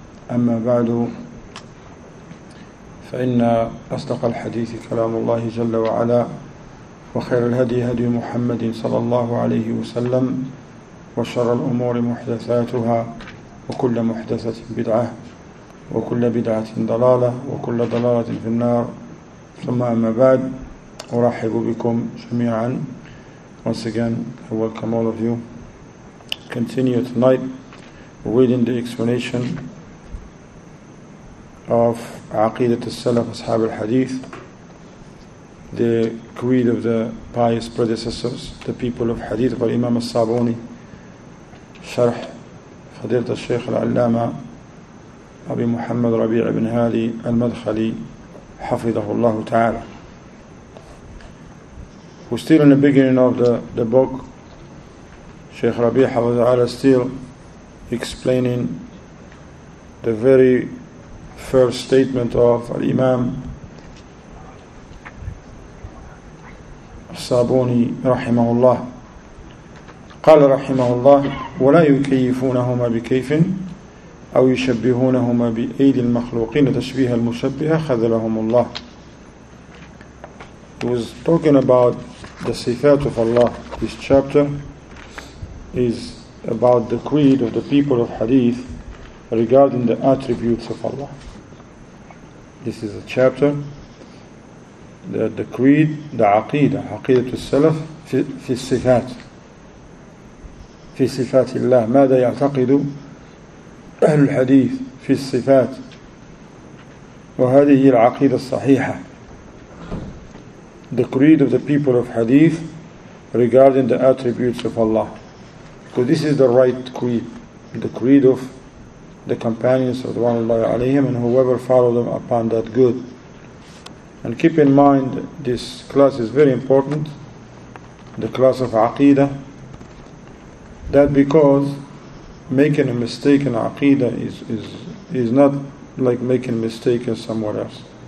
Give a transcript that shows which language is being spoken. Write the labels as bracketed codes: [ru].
[ar] أما بعد، فإن أصدق الحديث كلام الله جل وعلا، وخير الهدي هدي محمد صلى الله عليه وسلم، وشر الأمور محدثاتها، وكل محدثة بدعة، وكل بدعة ضلالة، وكل ضلالة في النار. ثم أما بعد، أرحب بكم جميعا. [en] Once again, I welcome all of you. Continue tonight reading the explanation of Aqidat al-Salaf, Ashab al-Hadith, the creed of the pious predecessors, the people of Hadith, by Imam al-Sabuni, Sharh Fadilat al-Shaykh al-Allama Abi Muhammad Rabi' ibn Hadi al-Madkhali Hafidhahu Allah Ta'ala. We're still in the beginning of the book. Shaykh Rabi' Hafidhahu Ta'ala still explaining the very first statement of Al-Imam Sabuni Rahimahullah. [ar] قال رحمه الله ولا يكيفونهما بكيف أو يشبهونهما بأيدي المخلوقين تشبيه المشبهة خذلهم الله. [en] He was talking about the sifat of Allah. This chapter is about the creed of the people of Hadith regarding the attributes of Allah. This is a chapter that the creed, the aqidah, aqidah to salaf, fi sifat. Fi sifat Allah. [ar] ماذا يعتقد أهل الحديث في الصفات؟ وهذه هي العقيدة الصحيحة. [en] The creed of the people of Hadith regarding the attributes of Allah. Because this is the right creed. The creed of the companions of the one Allah alayhim and whoever followed them upon that good. And keep in mind, this class is very important, the class of aqidah, that because making a mistake in aqidah is not like making a mistake in somewhere else.